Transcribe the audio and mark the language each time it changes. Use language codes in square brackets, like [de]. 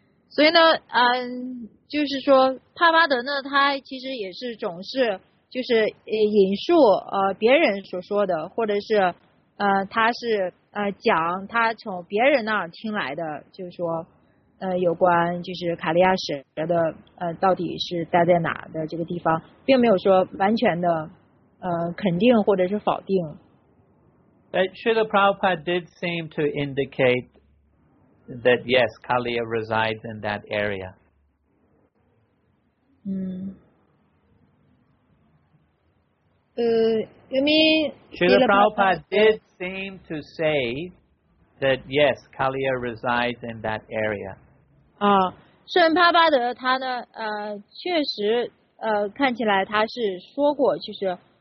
[zh] 所以呢，就是说，帕巴德呢，他其实也是总是就是引述别人所说的，或者是他是讲他从别人那儿听来的，就是说。有关就是卡利亚什的到底是待在哪的这个地方，并没有说完全的肯定或者是否定。 [en] But Srila Prabhupada did seem to indicate that yes, Kaliya resides in that area. [zh] 因为 [en] Srila Prabhupada did seem to say that yes, Kaliya resides in that area. [zh] 圣帕巴德他呢确实看起来他是说过就是